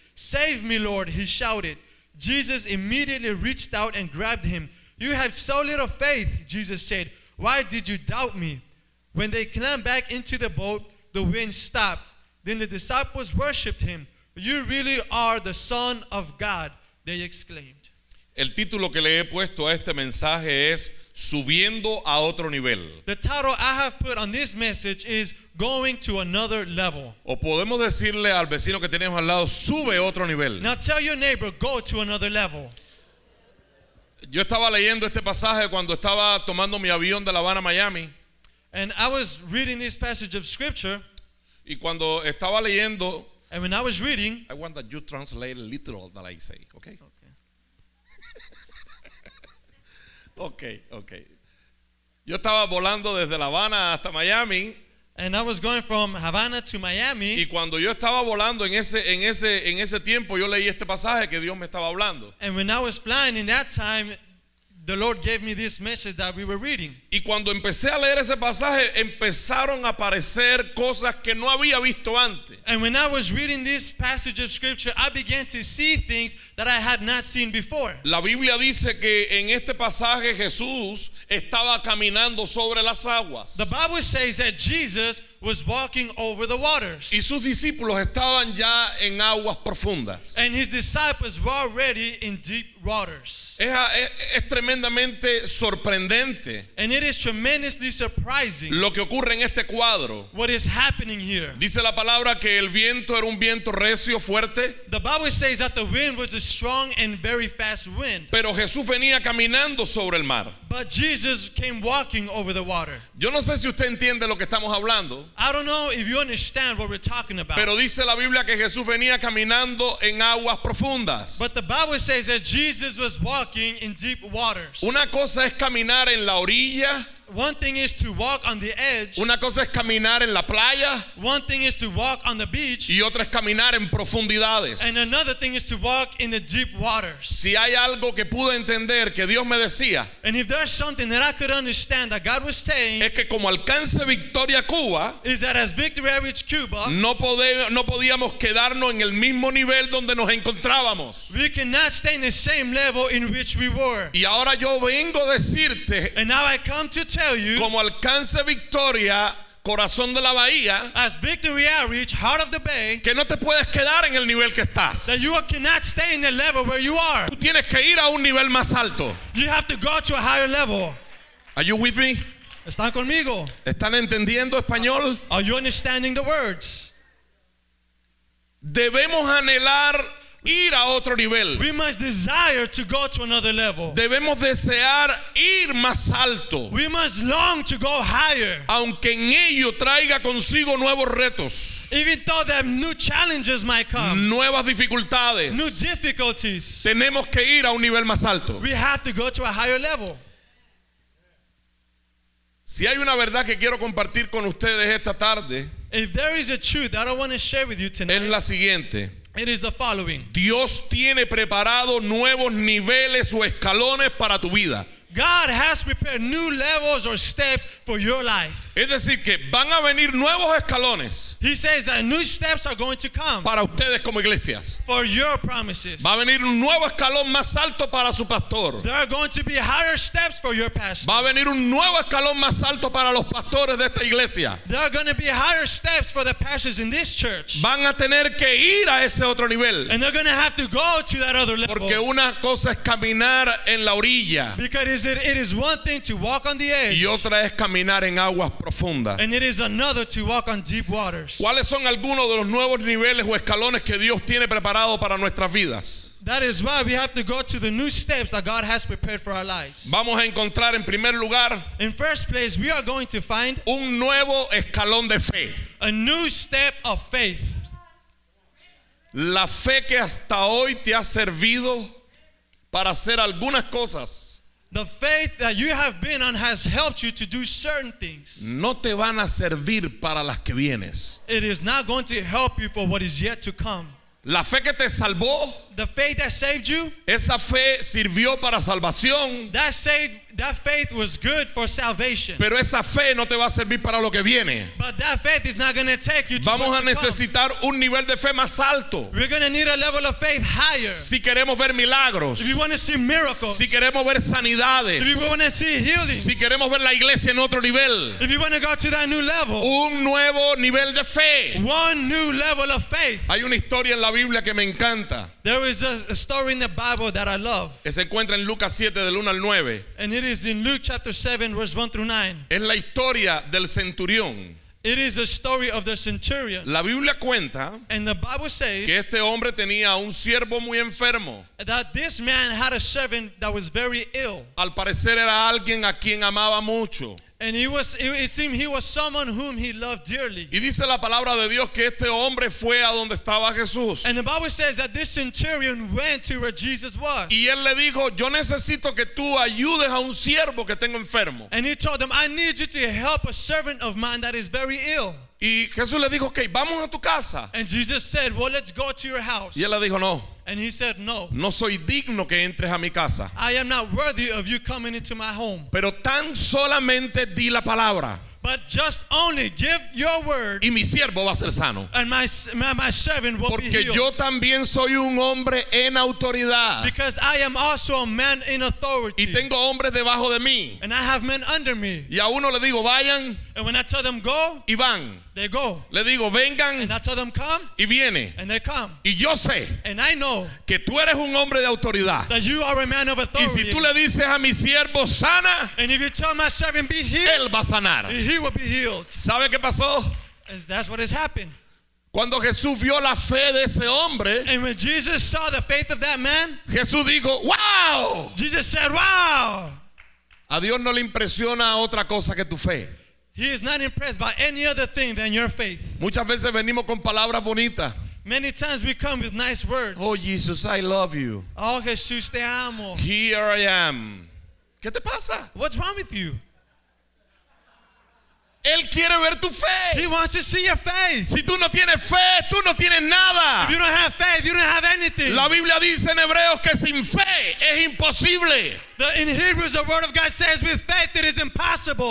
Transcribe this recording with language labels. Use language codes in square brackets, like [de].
[en] "Save me, Lord," he shouted. Jesus immediately reached out and grabbed him. "You have so little faith," Jesus said. "Why did you doubt me?" When they climbed back into the boat, the wind stopped. Then the disciples worshipped him. "You really are the Son of God," they exclaimed. [es] El título que le he puesto a este mensaje es Subiendo a otro nivel. [en] The title I have put on this message is Going to Another Level. [es] O podemos decirle al vecino que tenemos al lado, sube otro nivel. [en] Now tell your neighbor, go to another level. [es] Yo estaba leyendo este pasaje cuando estaba tomando mi avión de La Habana, Miami. [en] And I was reading this passage of scripture. [es] Y cuando estaba leyendo. [en] And when I was reading. I want that you translate literal that I say, okay? Okay. Okay. [es] Yo estaba volando desde La Habana hasta Miami. [en] And I was going from Havana to Miami. [es] Y cuando yo estaba volando en ese tiempo, yo leí este pasaje que Dios me estaba hablando. [en] And when I was flying in that time, the Lord gave me this message that we were reading. [es] Y cuando empecé a leer ese pasaje, empezaron a aparecer cosas que no había visto antes. [en] And when I was reading this passage of scripture, I began to see things that I had not seen before. [es] La Biblia dice que en este pasaje Jesús estaba caminando sobre las aguas. [en] The Bible says that Jesus was walking over the waters. [es] Y sus discípulos estaban ya en aguas profundas. [en] And his disciples were already in deep waters. [es] Es tremendamente sorprendente. [en] And it is tremendously surprising. [es] Lo que ocurre en este cuadro. [en] What is happening here? [es] Dice la palabra que el viento era un viento recio, fuerte. [en] The Bible says that the wind was a strong and very fast wind. [es] Pero Jesús venía caminando sobre el mar. [en] But Jesus came walking over the water. [es] Yo no sé si usted entiende lo que estamos hablando. [en] I don't know if you understand what we're talking about. [es] Pero dice la Biblia que Jesús venía caminando en aguas profundas. [en] But the Bible says that Jesus was walking in deep waters. [es] Una cosa es caminar en la orilla. [en] One thing is to walk on the edge. [es] Una cosa es caminar en la playa. [en] One thing is to walk on the beach. [es] Y otra es caminar en profundidades. [en] And another thing is to walk in the deep waters. [es] Si hay algo que pude entender que Dios me decía. [en] And if there's something that I could understand that God was saying. [es] Es que como alcance Victoria Cuba. [en] Is that as Victory I reach Cuba. [es] No podíamos quedarnos en el mismo nivel donde nos encontrábamos. [en] We cannot stay in the same level in which we were. [es] Y ahora yo vengo a decirte. [en] And now I come to tell you, [es] como alcance Victoria, corazón de la bahía, [en] as Victory Outreach, heart of the bay, [es] que no te puedes quedar en el nivel que estás. [en] That you cannot stay in the level where you are. [es] Tú tienes que ir a un nivel más alto. [en] You have to go to a higher level. Are you with me? [es] ¿Están conmigo? ¿Están entendiendo español? [en] Are you understanding the words? [es] Debemos anhelar ir a otro nivel. [en] We must desire to go to another level. [es] Debemos desear ir más alto. [en] We must long to go higher. [es] Aunque en ello traiga consigo nuevos retos. [en] Even though that new challenges might come. [es] Nuevas dificultades. [en] New difficulties. [es] Tenemos que ir a un nivel más alto. [en] We have to go to a higher level. [es] Si hay una verdad que quiero compartir con ustedes esta tarde, [en] if there is a truth that I want to share with you tonight, [es] es la siguiente. [en] It is the following. [es] Dios tiene preparado nuevos niveles o escalones para tu vida. [en] God has prepared new levels or steps for your life. [es] Es decir que van a venir nuevos escalones. [en] He says that new steps are going to come. [es] Para ustedes como iglesias. [en] For your promises. [es] Va a venir un nuevo escalón más alto para su pastor. [en] There are going to be higher steps for your pastor. [es] Va a venir un nuevo escalón más alto para los pastores de esta iglesia. [en] There are going to be higher steps for the pastors in this church. [es] Van a tener que ir a ese otro nivel. [en] And they're going to have to go to that other level. [es] Porque una cosa es caminar en la orilla. [en] Because it is one thing to walk on the edge. [es] Y otra es caminar en aguas profunda. [en] And it is another to walk on deep waters. [es] ¿Cuáles son algunos de los nuevos niveles o escalones que Dios tiene preparado para nuestras vidas? [en] That is why we have to go to the new steps that God has prepared for our lives. [es] Vamos a encontrar en primer lugar. [en] In first place, we are going to find [es] un nuevo escalón de fe. [en] A new step of faith. [es] La fe que hasta hoy te ha servido para hacer algunas cosas. [en] The faith that you have been on has helped you to do certain things. [es] No te van a servir para las que vienes. [en] It is not going to help you for what is yet to come. [es] La fe que te salvó, [en] the faith that saved you, [es] esa fe sirvió para salvación. [en] That faith was good for salvation. [es] Pero esa fe no te va a servir para lo que viene. [en] But that faith is not going to take you to what's to come. [es] Vamos a necesitar un nivel de fe más alto. [en] We're going to need a level of faith higher. [es] Si queremos ver milagros. [en] If you want to see miracles. [es] Si queremos ver sanidades. [en] If you want to see healing. [es] Si queremos ver la iglesia en otro nivel. [en] If you want to go to that new level. [es] Un nuevo nivel de fe. [en] One new level of faith. [es] Hay una historia en la Biblia que me encanta. [en] There is a story in the Bible that I love. [es] Se encuentra en Lucas 7 del 1 al 9. [en] And it is in Luke chapter 7 verse 1 through 9. [es] Es la historia del centurión. [en] It is a story of the centurion. [es] La Biblia cuenta. [en] And the Bible says. [es] Que este hombre tenía un siervo muy enfermo. [en] That this man had a servant that was very ill. [es] Al parecer era alguien a quien amaba mucho. [en] And he was, it seemed he was someone whom he loved dearly. [es] Y dice la palabra de Dios que este hombre fue a donde estaba Jesús. [en] And the Bible says that this centurion went to where Jesus was. [es] Y él le dijo, yo necesito que tú ayudes a un siervo que tengo enfermo. [en] And he told him, I need you to help a servant of mine that is very ill. [es] Y Jesús le dijo, okay, vamos a tu casa. [en] And Jesus said, well, let's go to your house. [es] Y él le dijo, no. [en] And he said, no. [es] No soy digno que entres a mi casa. [en] I am not worthy of you coming into my home. [es] Pero tan solamente di la palabra. [en] But just only give your word. [es] Y mi siervo va a ser sano. [en] And my servant will [es] Porque [en] be healed. [es] Yo también soy un hombre en autoridad. [en] Because I am also a man in authority. [es] Y tengo hombres debajo de mí. [en] And I have men under me. [es] Y a uno le digo, vayan. [en] And when I tell them go, [es] y van. [en] They go. [es] Le digo, vengan. [en] And I tell them come. [es] Y viene. [en] And they come. [es] Y yo sé. [en] And I know. [es] Que tú eres un hombre de autoridad. [en] That you are a man of authority. [es] Y si tú le dices a mi siervo sana, [en] and if you tell my servant be healed, [es] él va a sanar. [en] He will be healed. [es] ¿Sabe qué pasó? [en] And that's what has happened. [es] Cuando Jesús vio la fe de ese hombre, [en] and when Jesus saw the faith of that man, [es] Jesús dijo, wow. [en] Jesus said, wow. [es] A Dios no le impresiona otra cosa que tu fe. [en] He is not impressed by any other thing than your faith. [es] Muchas veces venimos con palabras bonitas. [en] Many times we come with nice words. Oh Jesus, I love you. [es] Oh Jesus, te amo. [en] Here I am. [es] ¿Qué te pasa? [en] What's wrong with you? [es] Él quiere ver tu fe. [en] He wants to see your faith. [es] Si tú no tienes fe, tú no tienes nada. [en] If you don't have faith, you don't have anything. [es] La Biblia dice en Hebreos que sin fe es imposible. [en] In Hebrews, the word of God says, with faith it is impossible.